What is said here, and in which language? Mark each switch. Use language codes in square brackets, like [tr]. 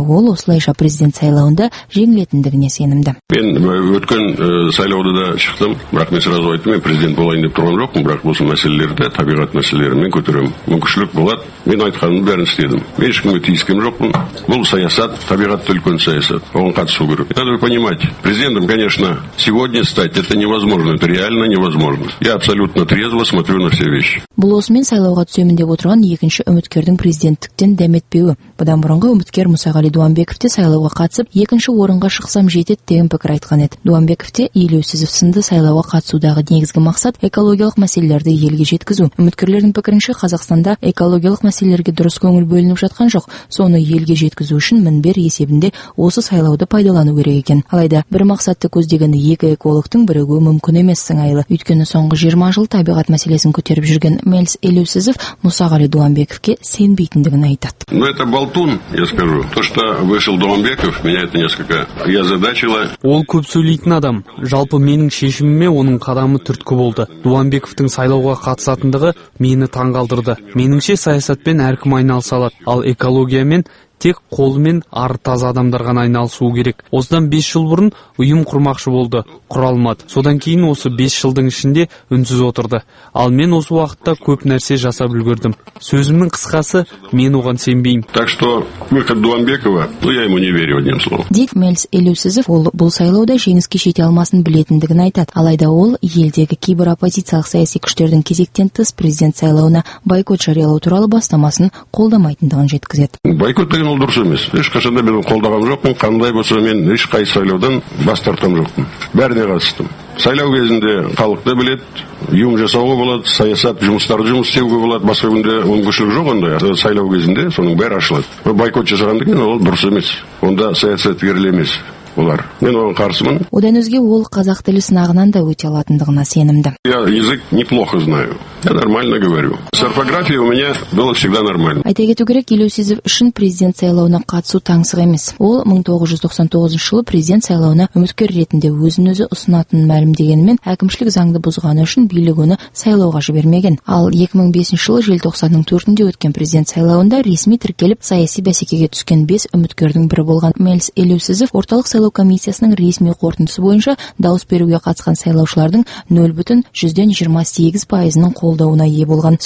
[kk] Ол осылайша президент сайлауында жеңілетіндігіне сенімді. Мен өткен сайлауда да шықтым, бірақ мен сразу айттым, мен президент болайын деп тұрған жоқпын, бірақ осы мәселелерді, табиғат мәселелерін мен көтеремін. Мүмкіншілік болады, мен айтқанымды бәрін істедім. Мен ешкімге тиіскен жоқпын. Бұл саясат, табиғат үлкен саясат. Оған қатысу керек. Понимать. [ru] Президентом, конечно, сегодня стать, это невозможно, это реально невозможно. Я абсолютно трезво смотрю на все вещи. [kk] Бұл осымен сайлауға түсемін деп отырған екінші үміткердің президенттіктен дәметпеуі. Бұдан бұрынғы үміткер Мұсағали Дуанбеков те сайлауға қатысып, екінші орынға шықсам жетеді деген пікір айтқан еді. Дуанбеков те Елеусізов сынды сайлауға қатысудағы негізгі мақсат экологиялық мәселелерді елге жеткізу. Үміткерлердің пікірінше, Қазақстанда экологиялық мәселелерге дұрыс көңіл бөлініп жатқан жоқ. Соны елге жеткізу үшін мінбер есебінде осы сайлауды пайдалану керек екен. Алайда бір мақсатты көздеген екі экологтың бірігуі мүмкін емес сыңайлы. Өйткені соңғы 20 жыл табиғат мәселесін көтеріп жүрген Меліс Елеусізов Мұсағали Дуанбековке сенбейтіндігін айтады. [ru] Ну это болтун, я скажу. То, что вышел Дуанбеков, меня это несколько я задачила. [kk] Ол көп сөйлейтін адам. Жалпы менің шешіміме оның қадамы түрткі болды. Дуанбековтің сайлауға қатысатындығы мені таңғалдырды. Меніңше саясатпен әркім айналыса алады, ал экологиямен тек қолымен артаз адамдар ғана айналысуы керек. Осыдан 5 жыл бұрын ұйым құрмақшы болды, құра алмады. Содан кейін осы 5 жылдың ішінде үнсіз отырды. Ал мен осы уақытта көп нәрсе жасап үлгердім. Сөзімнің қысқасы, мен оған сенбеймін. [ru] Так что, выход Дуанбекова, ну я ему не верю одним словом. [kk] Дейд Меліс Елеусізов, ол бұл сайлауда жеңіске жете алмасын білетіндігін айтады. Алайда ол елдегі кейбір оппозициялық саяси күштердің кезектен тыс президент сайлауына байкот жариялау туралы бастамасын қолдамайтындығын жеткізеді. Байкот ол дұрыс емес. Ешқашанда мен қолдаған жоқпын. Қандай болса мен ешқай сайлаудан бас тартқан жоқпын. Бәріне қатыстым. Сайлау кезінде халықты біледі, ұйым жасауға болады, саясат жұмыстарды жұмыс істеуге болады. Басқа күнде мүмкіншілік жоқ ондай. Сайлау кезінде соның бәрі ашылады. Байкот жасағанда кейін ол дұрыс емес. Онда саясаткерлер емес. Олар. Мен оған қарсымын. Одан өзге ол қазақ тілі сынағынан да өте алатындығына сенімді. [ru] Я язык неплохо знаю. Я нормально говорю. С орфографией у меня было всегда нормально. [kk] Айта кету керек, Елеусізов үшін президент сайлауына қатысу таңсық емес. Ол 1999 жылы президент сайлауына үміткер ретінде өзін-өзі ұсынатынын мәлімдегенімен, әкімшілік заңды бұзғаны үшін билік оны сайлауға жібермеген. Ал 2005 жылы желтоқсанның 4-інде өткен президент сайлауында ресми тіркеліп саяси бәсекеге түскен 5 үміткердің бірі болған Меліс Елеусізов орталық сайлау комиссиясының ресми қорытындысы бойынша дауыс беруге қатысқан сайлаушылардың 0.28%-ның қолдауына ие болған.